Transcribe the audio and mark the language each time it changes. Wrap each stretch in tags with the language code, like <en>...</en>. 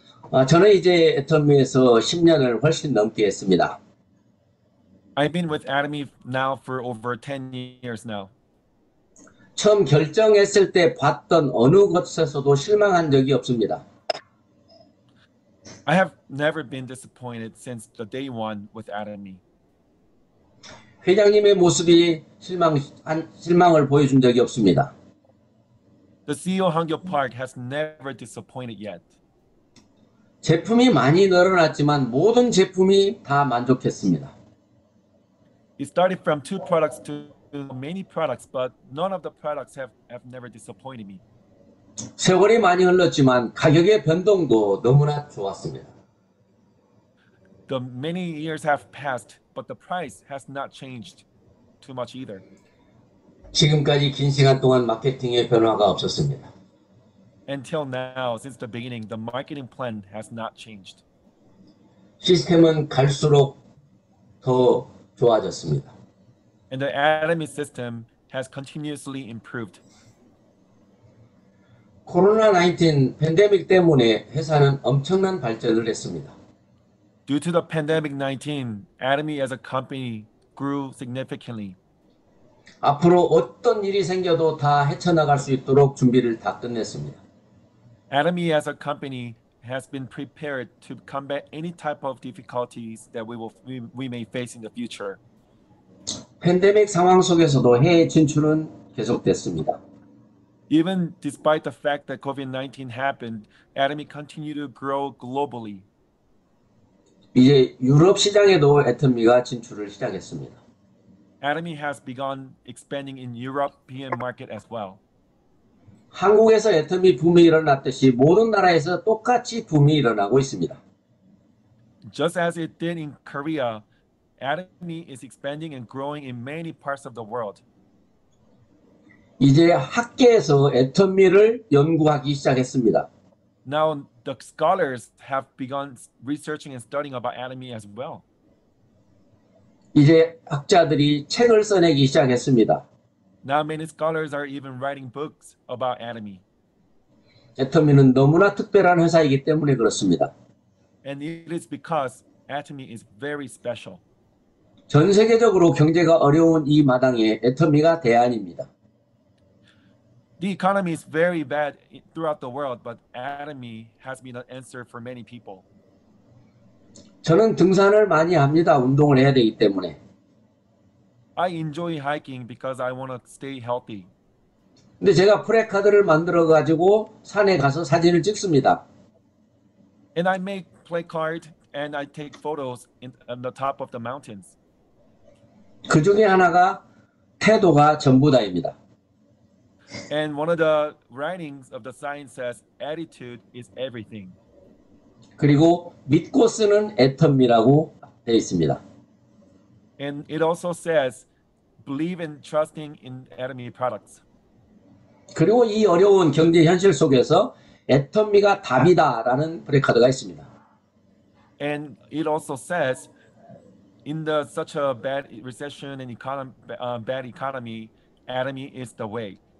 <ko>아, 저는 이제 애터미에서 10년을 훨씬 넘게 했습니다.</ko> <en>I've been with Atomy now for over 10 years now.</en> <ko>처음 결정했을 때 봤던 어느 곳에서도 실망한 적이 없습니다.</ko> <en>I have never been disappointed since the day one with Atomy.</en> <ko>회장님의 모습이 실망을 보여준 적이 없습니다.</ko> <en>The CEO Hangyo Park has never disappointed yet.</en> <ko>제품이 많이 늘어났지만 모든 제품이 다 만족했습니다.</ko> <en>It started from two products to many products, but none of the products have never disappointed me.</en> <ko>세월이 많이 흘렀지만 가격의 변동도 너무나 좋았습니다.</ko> <en>The many years have passed, but the price has not changed too much either.</en> <ko>지금까지 긴 시간 동안 마케팅의 변화가 없었습니다.</ko> <en>Until now, since the beginning, the marketing plan has not changed.</en> <ko>시스템은 갈수록 더 좋아졌습니다.</ko> <en>And the Atomy system has continuously improved.</en> <ko>코로나 19 팬데믹 때문에 회사는 엄청난 발전을 했습니다.</ko> <en>Due to the pandemic 19, Atomy as a company grew significantly.</en> <ko>앞으로 어떤 일이 생겨도 다 헤쳐나갈 수 있도록 준비를 다 끝냈습니다.</ko> <en>Atomy as a company has been prepared to combat any type of difficulties that we may face in the future.</en> <ko>팬데믹 상황 속에서도 해외 진출은 계속됐습니다.</ko> <en>Even despite the fact that COVID-19 happened, Atomy continued to grow globally.</en> <ko>이제 유럽 시장에도 애터미가 진출을 시작했습니다.</ko> <en>Atomy has begun expanding in European market as well.</en> <ko>한국에서 애터미 붐이 일어났듯이 모든 나라에서 똑같이 붐이 일어나고 있습니다.</ko> <en>Just as it did in Korea, Atomy is expanding and growing in many parts of the world.</en> <ko>이제 학계에서 애터미를 연구하기 시작했습니다.</ko> <en>Now the scholars have begun researching and studying about Atomy as well.</en> <ko>이제 학자들이 책을 써내기 시작했습니다.</ko> <en>Now many scholars are even writing books about Atomy.</en> <ko>Atomy는 너무나 특별한 회사이기 때문에 그렇습니다.</ko> <en>And it is because Atomy is very special.</en> <ko>전 세계적으로 경제가 어려운 이 마당에 Atomy가 대안입니다.</ko> <en>The economy is very bad throughout the world, but Atomy has been an answer for many people.</en> <ko>저는 등산을 많이 합니다. 운동을 해야 되기 때문에.</ko> <en>I enjoy hiking because I want to stay healthy.</en> <ko>근데 제가 플래카드를 만들어 가지고 산에 가서 사진을 찍습니다.</ko> <en>And I make placard and I take photos on the top of the mountains.</en> <ko>그 중에 하나가 태도가 전부다입니다.</ko> <en>And one of the writings of the sign says attitude is everything.</en> <ko>그리고 믿고 쓰는 애터미라고 돼 있습니다.</ko> <en>And it also says believe in trusting in Atomy products.</en> <ko>그리고 이 어려운 경제 현실 속에서 애터미가 답이다라는 브레카드가 있습니다.</ko> <en>And it also says in the such a bad recession and bad economy, Atomy is the way.</en>